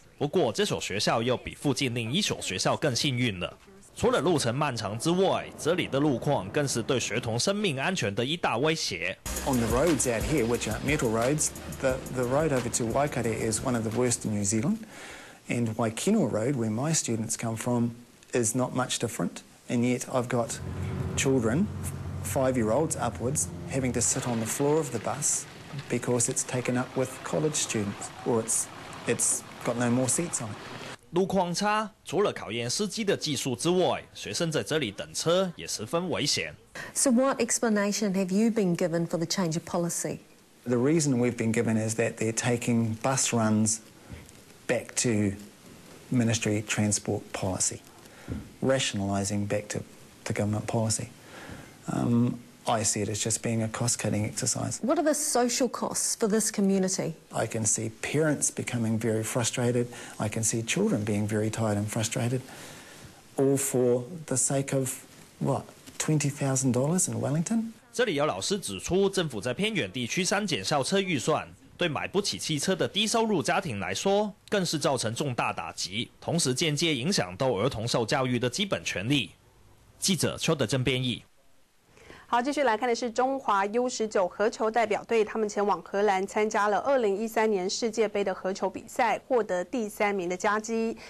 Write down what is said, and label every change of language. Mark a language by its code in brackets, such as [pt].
[zh] 不过这所学校又比附近另一所学校更幸运了，除了路程漫长之外，这里的路况更是对学童生命安全的一大威胁。 [en] On the roads out here, which are metal roads, the road over to Waikare is one of the worst in New Zealand, and Waikino Road, where my students come from, is not much different, and yet I've got children, 5-year-olds upwards, having to sit on the floor of the bus because it's taken up with college students, or it's got no more seats on. [zh] 路况差，除了考验司机的技术之外，学生在这里等车也十分危险。 [en] So what explanation have you been given for the change of policy? The reason we've been given is that they're taking bus runs back to ministry transport policy, rationalising back to the government policy. I see it as just being a cost-cutting exercise. What are the social costs for this community? I can see parents becoming very frustrated. I can see children being very tired and frustrated. All for the sake of, what, $20,000 in Wellington? [zh] 这里有老师指出，政府在偏远地区删减校车预算，对买不起汽车的低收入家庭来说，更是造成重大打击，同时间接影响到儿童受教育的基本权利。记者邱德正编译。好，继续来看的是中华 U19 合球代表队，他们前往荷兰参加了2013年世界杯的合球比赛，获得第3名的佳绩。